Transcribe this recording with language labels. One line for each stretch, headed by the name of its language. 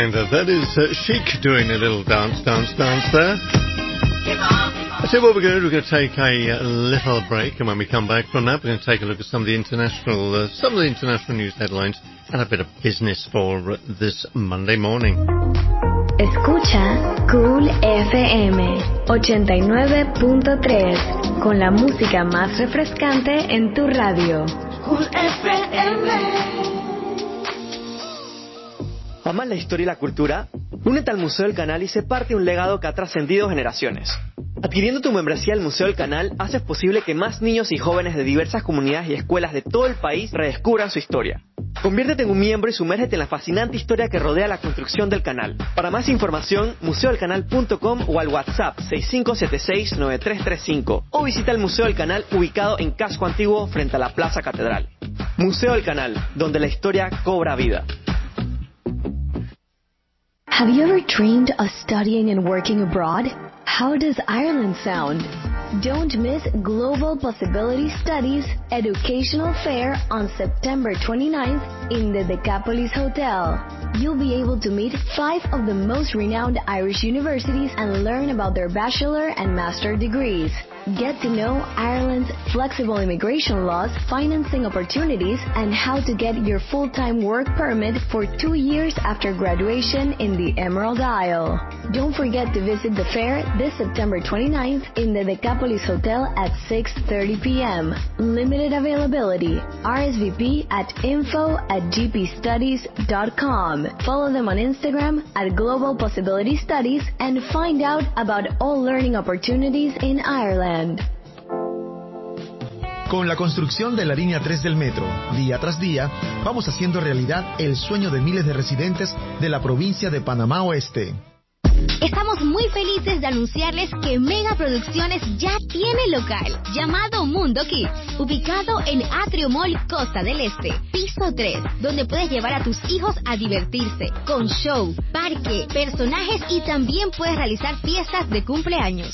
English: That is Chic doing a little dance, dance, dance there. So what we're going to do, we're going to take a little break, and when we come back from that, we're going to take a look at some of the international, news headlines, and a bit of business for this Monday morning.
Spanish: Escucha Cool FM 89.3 con la música más refrescante en tu radio. Cool FM. ¿Amas la historia y la cultura? Únete al Museo del Canal y sé parte de un legado que ha trascendido generaciones. Adquiriendo tu membresía al Museo del Canal, haces posible que más niños y jóvenes de diversas comunidades y escuelas de todo el país redescubran su historia. Conviértete en un miembro y sumérgete en la fascinante historia que rodea la construcción del canal. Para más información, museodelcanal.com o al WhatsApp 6576-9335 o visita el Museo del Canal ubicado en Casco Antiguo frente a la Plaza Catedral. Museo del Canal, donde la historia cobra vida.
English: Have you ever dreamed of studying and working abroad? How does Ireland sound? Don't miss Global Possibility Studies Educational Fair on September 29th in the Decapolis Hotel. You'll be able to meet five of the most renowned Irish universities and learn about their bachelor and master degrees. Get to know Ireland's flexible immigration laws, financing opportunities, and how to get your full-time work permit for 2 years after graduation in the Emerald Isle. Don't forget to visit the fair this September 29th in the Decapolis Hotel at 6:30 p.m. Limited availability. RSVP at info@gpstudies.com. Follow them on Instagram at Global Possibility Studies and find out about all learning opportunities in Ireland.
Spanish: Con la construcción de la línea 3 del metro, día tras día, vamos haciendo realidad el sueño de miles de residentes de la provincia de Panamá Oeste. Estamos muy felices de anunciarles que Mega Producciones ya tiene local, llamado Mundo Kids, ubicado en Atrio Mall Costa del Este, piso 3, donde puedes llevar a tus hijos a divertirse, con show, parque, personajes y también puedes realizar fiestas de cumpleaños.